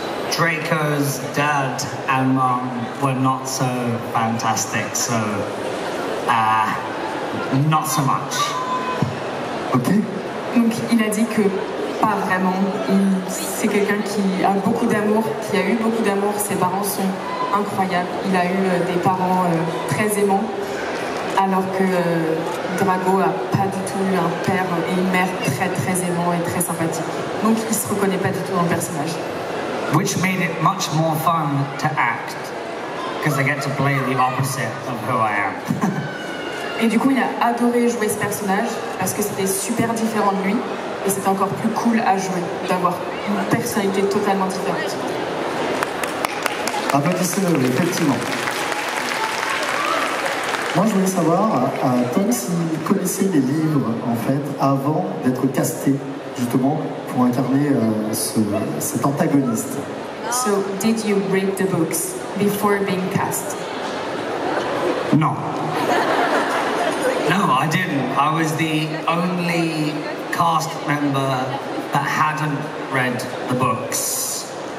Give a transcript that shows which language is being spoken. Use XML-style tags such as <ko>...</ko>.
<en>Draco's dad and mom were not so fantastic, so not so much. Okay.</en> <fr>Donc il a dit que pas vraiment. C'est quelqu'un qui a beaucoup d'amour, qui a eu beaucoup d'amour. Ses parents sont incroyable. Il a eu des parents très aimants, alors que Drago a pas du tout eu un père et une mère très très aimants et très sympathiques. Donc il se reconnaît pas du tout dans le personnage.</fr> <en>Which made it much more fun to act, because I get to play the opposite of who I am.</en> <fr>Et du coup, il a adoré jouer ce personnage parce que c'était super différent de lui et c'est encore plus cool à jouer, d'avoir une personnalité totalement différente. Applaudissez-le, oui, effectivement. Moi, je voulais savoir, Tom, si vous connaissiez les livres, en fait, avant d'être casté, justement, pour incarner cet antagoniste.</fr> <en>So, did you read the books before being cast? No. No, I didn't. I was the only cast member that hadn't read the books.</en>